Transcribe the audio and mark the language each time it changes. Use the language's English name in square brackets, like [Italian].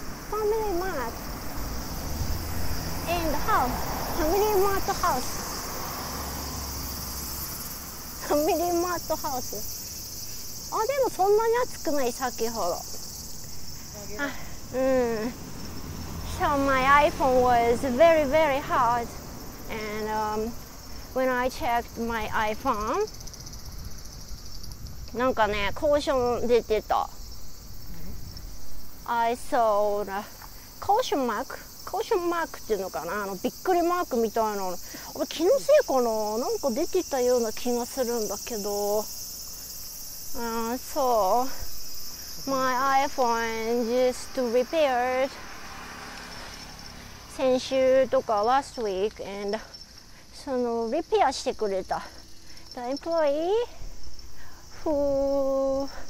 [Japanese] ファミリーマート。 [English] And house。 [Japanese] ファミリーマートハウス。ファミリーマートハウス。あ、でもそんなに暑くない先ほど。 [English] So my iPhone was very very hot and when I checked my iPhone [Japanese] なんかね、コーション出てた。 [English] I saw the caution mark。 [Japanese] カーションマークっていうのかな、あのびっくりマークみたいなの。あれ気のせいかな、なんか出てたような気がするんだけど。 [English] そうMy iPhone just repaired [Japanese] 先週とか [English] last week and [Japanese] そのリペアしてくれた [English] the employee who